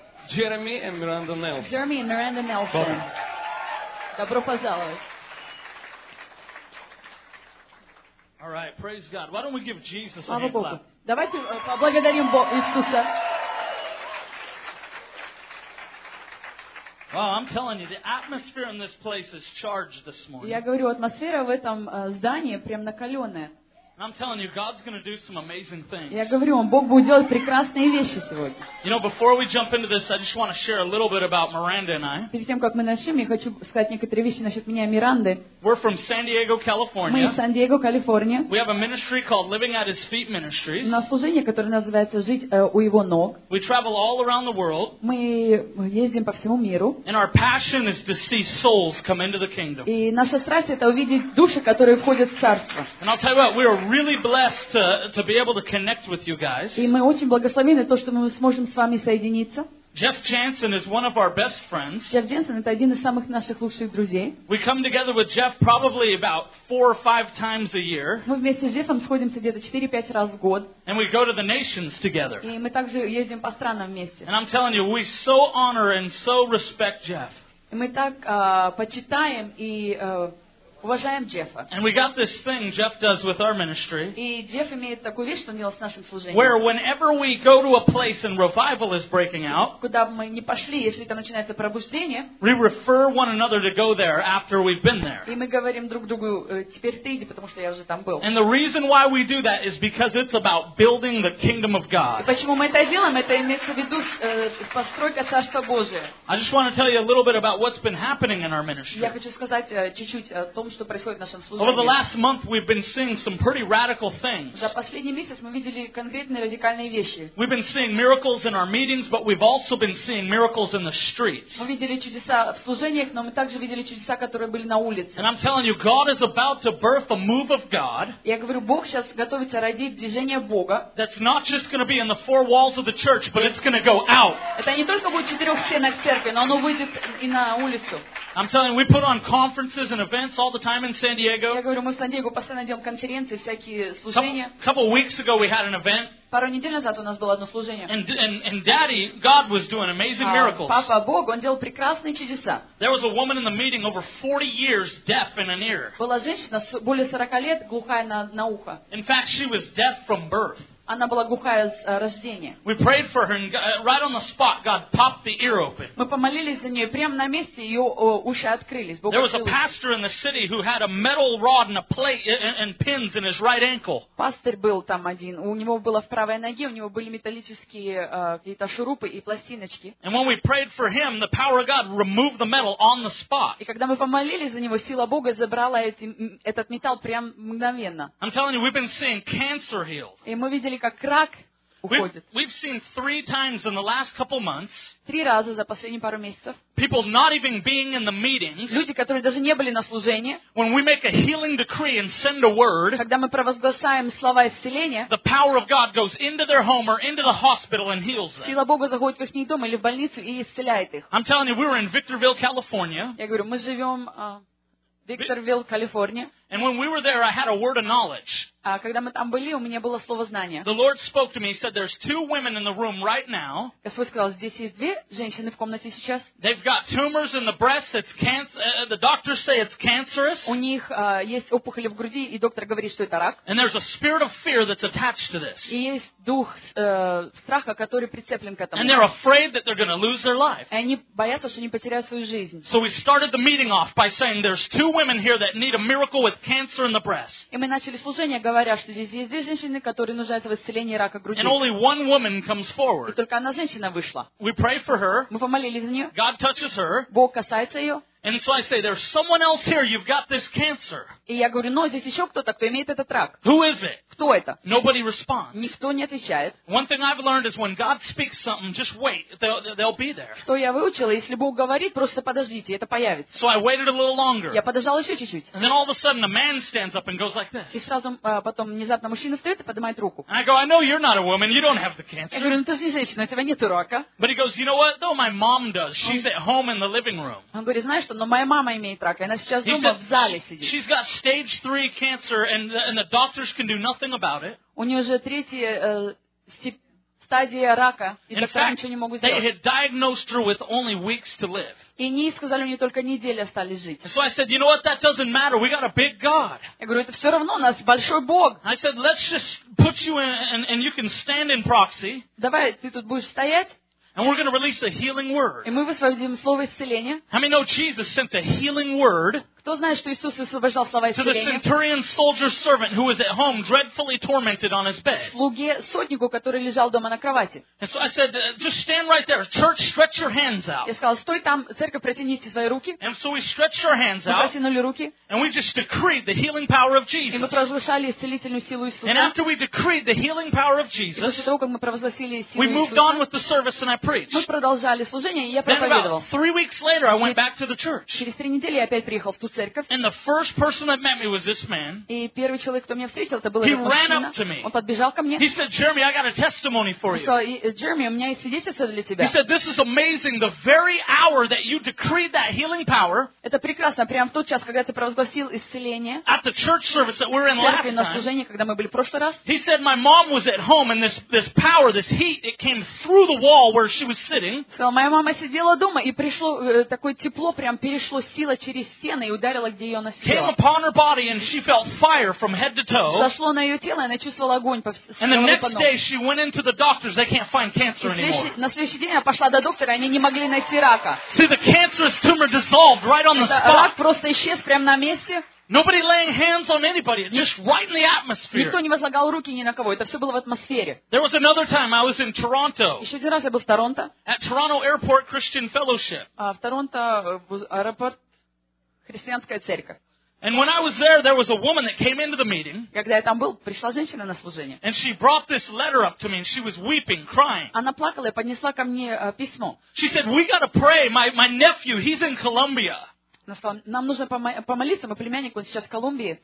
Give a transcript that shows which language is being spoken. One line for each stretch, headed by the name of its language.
English: Jeremy and Miranda Nelson. Jeremy and Miranda Nelson. Welcome.
Russian: Добро пожаловать.
English: All right, praise God. Why don't we give Jesus
Russian: Слава
English: a big clap?
Russian: Давайте поблагодарим Иисуса.
English: Wow, I'm telling you, the atmosphere in this place is charged this morning.
Russian: Я говорю, атмосфера в этом здании прям накаленная.
English: I'm telling you, God's going to do some amazing things.
Russian: Я говорю вам, Бог будет делать прекрасные вещи сегодня.
English: You know, before we jump into this, I just want to share a little bit about Miranda and I.
Russian: Перед тем как мы начнем, я хочу сказать некоторые вещи насчет меня и Миранды.
English: We're from San Diego, California.
Russian: Мы из Сан-Диего, Калифорния.
English: We have a ministry called Living at His Feet Ministries.
Russian: У нас служение, которое называется «Жить у Его ног».
English: We travel all around the world.
Russian: Мы ездим по всему миру.
English: And our passion is to see souls come into the kingdom.
Russian: И наша страсть — это увидеть души, которые входят в царство.
English: And I'll tell you what, we are really blessed to be able to connect with you guys.
Russian: И мы очень благословены то, что мы сможем с вами соединиться.
English: Jeff Jansen is one of our best friends.
Russian: Jeff Jansen — это один из самых наших лучших друзей.
English: We come together with Jeff probably about 4 or 5 times a year.
Russian: Мы вместе с Джеффом сходимся где-то 4-5 раз в год.
English: And we go to the nations together.
Russian: И мы также ездим по странам вместе.
English: And I'm telling you, we so honor and so respect Jeff.
Russian: И мы так почитаем и уважаем Джеффа.
English: And we got this thing Jeff does with our ministry.
Russian: И Джефф имеет такую вещь, что он делает с нашим служением.
English: Where whenever we go to a place and revival is breaking out,
Russian: куда бы мы ни пошли, если там начинается пробуждение,
English: we refer one another to go there after we've been there.
Russian: И мы говорим друг другу: теперь ты иди, потому что я уже там был.
English: And the reason why we do that is because it's about building the kingdom of God.
Russian: И почему мы это делаем? Это имеется в виду постройка Царства Божия.
English: I just want to tell you a little bit about what's been happening in our ministry.
Russian: Я хочу сказать чуть-чуть о том, что происходит в нашем служении.
English: Over the last month we've been seeing some pretty radical things.
Russian: За последний месяц мы видели конкретные радикальные вещи.
English: We've been seeing miracles in our meetings, but we've also been seeing miracles in the streets.
Russian: Мы видели чудеса в служениях, но мы также видели чудеса, которые были на улице.
English: And I'm telling you, God is about to birth a move of God.
Russian: Я говорю, Бог сейчас готовится родить движение Бога.
English: That's not just going to be in the four walls of the church, but it's going to go out.
Russian: Это не только будет в четырех стенах церкви, но оно выйдет и на улицу.
English: I'm telling you, we put on conferences and events all the time in San Diego.
Russian: Я говорю, мы в Сан-Диего постоянно делаем конференции, всякие служения.
English: Couple weeks ago we had an event.
Russian: Пару недель назад у нас было одно служение.
English: And Daddy, God was doing amazing miracles.
Russian: Папа Бог, он делал прекрасные чудеса.
English: There was a woman in the meeting over 40 years deaf in an ear.
Russian: Была женщина более 40 лет глухая на ухо.
English: In fact, she was deaf from birth.
Russian: Она была глухая с рождения.
English: We prayed for her, and right on the spot, God popped the ear open.
Russian: Мы помолились за нее, прямо на месте ее уши открылись.
English: There was a pastor in the city who had a metal rod and a plate and pins in his right ankle.
Russian: Пастор был там один. У него было в правой ноге, у него были металлические какие-то шурупы и пластиночки.
English: And when we prayed for him, the power of God removed the metal on the spot.
Russian: И когда мы помолились за него, сила Бога забрала этот металл прям мгновенно.
English: I'm telling you, we've been seeing cancer healed.
Russian: И мы видели, как рак уходит.
English: We've seen 3 times in the last couple months.
Russian: 3 раза за последние пару месяцев.
English: People not even being in the meetings.
Russian: Люди, которые даже не были на служении.
English: When we make a healing decree and send a word.
Russian: Когда мы провозглашаем слова исцеления.
English: The power of God goes into their home or into the hospital and heals them.
Russian: Сила Бога заходит в их дом или в больницу и исцеляет их.
English: I'm telling you, we were in Victorville, California.
Russian: Я говорю, мы живем Викторвилл, Калифорния.
English: And when we were there, I had a word of knowledge.
Russian: Когда мы там были, у меня было слово знания.
English: The Lord spoke to me. He said, "There's 2 women in the room right now."
Russian: Господь сказал, здесь есть 2 женщины в комнате сейчас.
English: They've got tumors in the breast. It's cancer. The doctors say it's cancerous.
Russian: У них есть опухоли в груди, и доктор говорит, что это рак.
English: And there's a spirit of fear that's attached to this.
Russian: И есть дух страха, который прицеплен к этому.
English: And they're afraid that they're going to lose their life.
Russian: И они боятся, что они потеряют свою жизнь.
English: So we started the meeting off by saying, "There's 2 women here that need a miracle with cancer in the breast."
Russian: И мы начали служение, говоря, что здесь есть 2 женщины, которые нуждаются в исцелении рака груди.
English: And only one woman comes forward.
Russian: И только одна женщина вышла.
English: We pray for her.
Russian: Мы помолились за нее.
English: God touches her.
Russian: Бог касается ее.
English: And so I say, there's someone else here. You've got this cancer.
Russian: И я говорю, но здесь еще кто-то, кто имеет этот рак.
English: Who is it?
Russian: Кто это?
English: Nobody responds.
Russian: Никто не отвечает.
English: One thing I've learned is when God speaks something, just wait. They'll be there.
Russian: Что я выучила, если Бог говорит, просто подождите, это появится.
English: So I waited a little longer.
Russian: Я подождала еще чуть-чуть.
English: And then all of a sudden, a man stands up and goes like this.
Russian: И сразу потом внезапно мужчина встает и поднимает руку.
English: And I go, I know you're not a woman. You don't have the cancer.
Russian: Я говорю, ну ты же не женщина, у тебя нет рака.
English: But he goes, you know what? Though my mom does. She's at home in the living room.
Russian: Он говорит, знаешь, но моя мама имеет рак, и она сейчас дома в зале сидит.
English: She's got stage 3 cancer, and the doctors can do nothing. nothing about it.
Russian: У нее уже третья стадия рака, и доктора ничего не могут сделать.
English: They had diagnosed her with only weeks to live.
Russian: И они сказали, у нее только недели остались жить.
English: So I said, you know what? That doesn't matter. We got a big God.
Russian: Я говорю, это все равно, у нас большой Бог.
English: I said, let's just put you in, and you can stand in proxy.
Russian: Давай, ты тут будешь стоять.
English: And we're going to release a healing word.
Russian: И мы высвободим слово исцеления.
English: How many know Jesus sent a healing word?
Russian: Кто знает, что Иисус высвобождал слова исцеления?
English: To the centurion soldier's servant who was at home dreadfully tormented on his bed.
Russian: Слуге сотнику, который лежал дома на кровати.
English: And so I said, just stand right there. Church, stretch your hands out.
Russian: Я сказал, стой там, церковь, протяните свои руки.
English: And so we stretched our hands out.
Russian: Мы протянули руки.
English: And we just decreed the healing power of Jesus.
Russian: И мы провозгласили исцелительную силу Иисуса.
English: And after we decreed the healing power of Jesus,
Russian: после того, как мы провозгласили силу Иисуса,
English: we moved on with the service and I preached.
Russian: Мы продолжали служение, и я проповедовал.
English: Then 3 weeks later, I went back to the church.
Russian: Через 3 недели я опять приехал в ту церковь.
English: And the first person that met me was this man.
Russian: И первый человек, кто меня встретил, это был
English: He
Russian: этот
English: ran
Russian: мужчина.
English: Up to me.
Russian: Он подбежал ко мне.
English: He said, Jeremy, I got a testimony for you.
Russian: Он сказал, Джереми, у меня есть свидетельство для тебя.
English: He said, this is amazing. The very hour that you decreed that healing power.
Russian: Это прекрасно, прямо в тот час, когда ты провозгласил исцеление.
English: At the church service that we were in last time.
Russian: На служении, когда мы были в прошлый раз.
English: He said, my mom was at home and this power, this heat, it came through the wall where she was sitting.
Russian: Сказал, моя мама сидела дома и пришло такое тепло, прям перешло сила через стены. Ударила, где ее носило.
English: Came upon her body and she felt fire from head to toe.
Russian: Зашло на ее тело, и она чувствовала огонь по всему телу.
English: And the next day she went into the doctors, they can't find cancer anymore.
Russian: На следующий день она пошла до доктора, они не могли найти рака.
English: See, the cancerous tumor dissolved right on the spot.
Russian: Рак просто исчез прямо на месте.
English: Nobody laying hands on anybody, just right in the atmosphere.
Russian: Никто не возлагал руки ни на кого. Это все было в атмосфере.
English: There was another time I was in Toronto.
Russian: Еще один раз я был в Торонто.
English: At Toronto Airport Christian Fellowship.
Russian: В Торонто аэропорт. Христианская церковь.
English: And when I was there, there was a woman that came into the meeting.
Russian: Когда я там был, пришла женщина на служение.
English: And she brought this letter up to me, and she was weeping, crying.
Russian: Она плакала и поднесла ко мне письмо.
English: She said, "We gotta pray. My nephew, he's in Colombia."
Russian: Нам нужно помолиться, мой племянник, он сейчас в Колумбии.